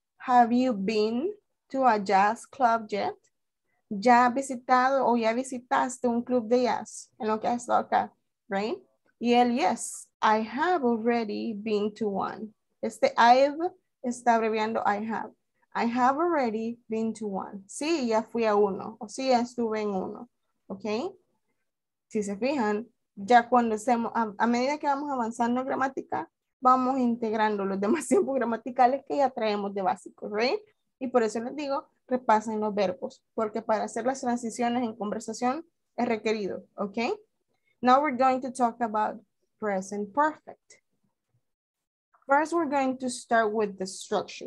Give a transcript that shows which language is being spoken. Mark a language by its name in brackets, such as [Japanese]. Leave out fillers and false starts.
[English] Have you been to a jazz club yet? [Spanish] ¿Ya has visitado o ya visitaste un club de jazz en lo que has estado acá? [English] Right? [Spanish] Y él, [English] yes, I have already been to one. Este I've [Spanish] está abreviando [English] I have. I have already been to one. [Spanish] Sí, ya fui a uno. O sí, ya estuve en uno. ¿Ok? Si se fijan, ya cuando estemos, a medida que vamos avanzando en gramática, vamos integrando los demás tiempos gramaticales que ya traemos de básico, ¿right? Y por eso les digo, repasen los verbos, porque para hacer las transiciones en conversación es requerido, ¿ok? [English] Now we're going to talk about present perfect. First we're going to start with the structure.